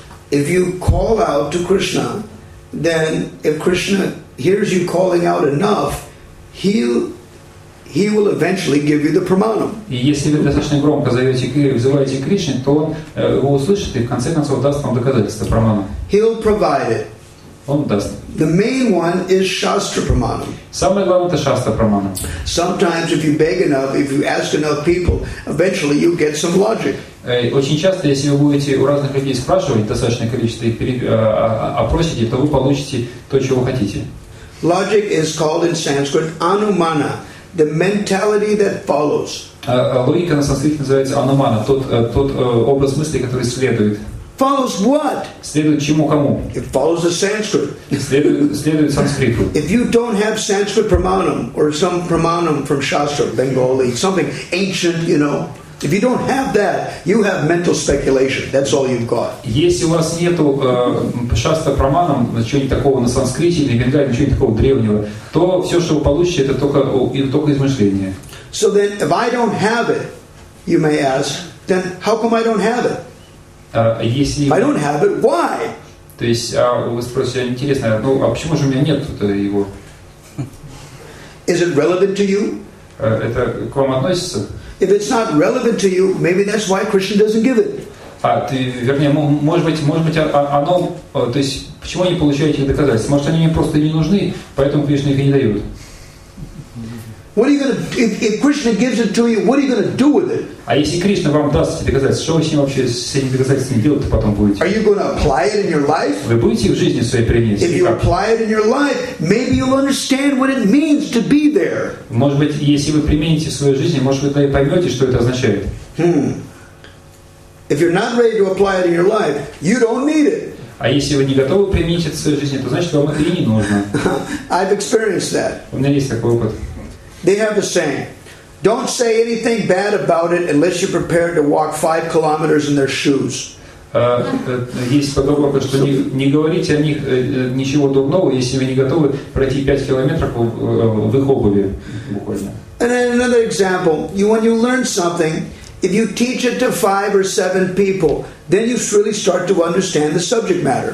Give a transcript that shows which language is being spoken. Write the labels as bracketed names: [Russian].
[English] If you call out to Krishna, then if Krishna hears you calling out enough, he will eventually give you the pramanam. [Russian] И если вы достаточно громко зовете и вызываете Кришну, то он его услышит и в конце концов даст вам доказательство прамана. [English] He'll provide it. [Russian] Он даст. [English] The main one is Shastra Pramana. [Russian] Самое главное это Shastra Pramana. [English] Sometimes if you beg enough, if you ask enough people, eventually you get some logic. [Russian] Очень часто, если вы будете у разных людей спрашивать достаточное количество и опросите, то вы получите то, чего хотите. [English] Logic is called in Sanskrit Anumana, the mentality that follows. [Russian] Логика на санскрите называется Anumana, тот образ мысли, который следует. [English] Follows what? [Russian] Следует чему кому? [English] It follows the Sanskrit. [Russian] Следует санскриту. [English] If you don't have Sanskrit pramanam or some pramanam from Shastra, Bengali, something ancient, you know, if you don't have that, you have mental speculation. That's all you've got. [Russian] Если у вас нету Shastra pramanam, чего-нибудь такого на санскрите или бенгали, чего-нибудь такого древнего, то все, что вы получите, это только измышления. [English] So then, if I don't have it, you may ask, then how come I don't have it? I don't have it. Why? [Russian] То есть вы спросите, интересно, ну а почему же у меня нет его? [English] Is it relevant to you? [Russian] Это к вам относится? [English] If it's not relevant to you, maybe that's why Krishna doesn't give it. [Russian] Может быть, оно, то есть почему они получают эти доказательства? Может, они мне просто не нужны, поэтому Кришна их и не дает. [English] What are you gonna if Krishna gives it to you? What are you gonna do with it? [Russian] А если Кришна вам даст эти доказательства, что вы с ним вообще с этими доказательствами делать-то потом будете? [English] Are you gonna apply it in your life? [Russian] Вы будете в жизни своей принести? [English] If you apply it in your life, maybe you'll understand what it means to be there. [Russian] Может быть, если вы примените в своей жизни, может быть, вы поймете, что это означает. [English] If you're not ready to apply it in your life, you don't need it. [Russian] А если вы не готовы применить это в своей жизни, то значит, вам это и не нужно. [English] I've experienced that. [Russian] У меня есть такой опыт. [English] They have a saying, don't say anything bad about it unless you're prepared to walk 5 kilometers in their shoes. [Russian] Есть поговорка, что не говорите о них ничего дурного, если вы не готовы пройти 5 километров в их обуви, буквально. [English] And then another example, when you learn something, If you teach it to 5 or 7 people, then you really start to understand the subject matter.